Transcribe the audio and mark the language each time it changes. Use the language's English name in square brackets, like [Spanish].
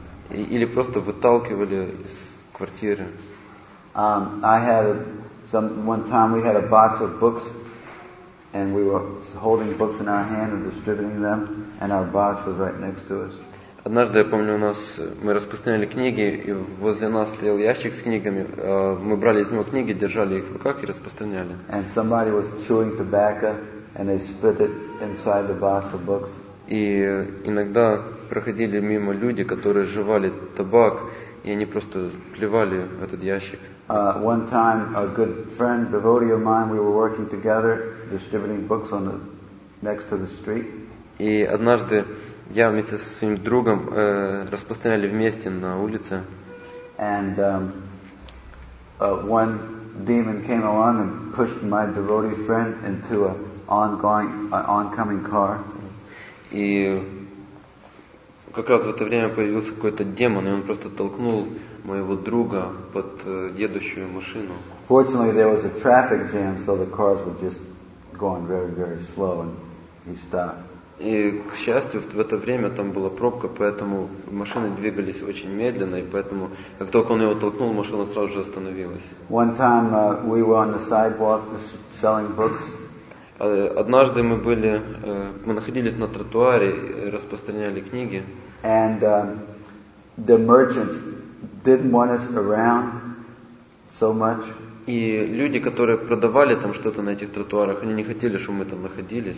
[Russian] Или просто выталкивали из квартиры. [English] I had one time we had a box of books, and we were holding books in our hand and distributing them, and our box was right next to us. [Russian] Однажды, я помню, мы распространяли книги, и возле нас стоял ящик с книгами. Мы брали из него книги, держали их в руках и распространяли. [English] And somebody was chewing tobacco. And they spit it inside the box of books. [Russian] И иногда проходили мимо люди, которые жевали табак, и они просто плевали в этот ящик. [English] One time, a good friend, devotee of mine, we were working together, distributing books on the next to the street. [Russian] И однажды я вместе со своим другом распространяли вместе на улице. [English] And one demon came along and pushed my devotee friend into a oncoming car. [Russian] И как раз в это время появился какой-то демон, и он просто толкнул моего друга под едущую машину. [English] Fortunately, there was a traffic jam, so the cars were just going very, very slow, and he stopped. [Russian] И, к счастью, в это время там была пробка, поэтому машины двигались очень медленно, и поэтому, как только он его толкнул, машина сразу же остановилась. [English] One time we were on the sidewalk selling books. [Russian] Однажды мы были, мы находились на тротуаре и распространяли книги. [English] And the merchants didn't want us around so much. [Russian] И люди, которые продавали там что-то на этих тротуарах, они не хотели, чтобы мы там находились.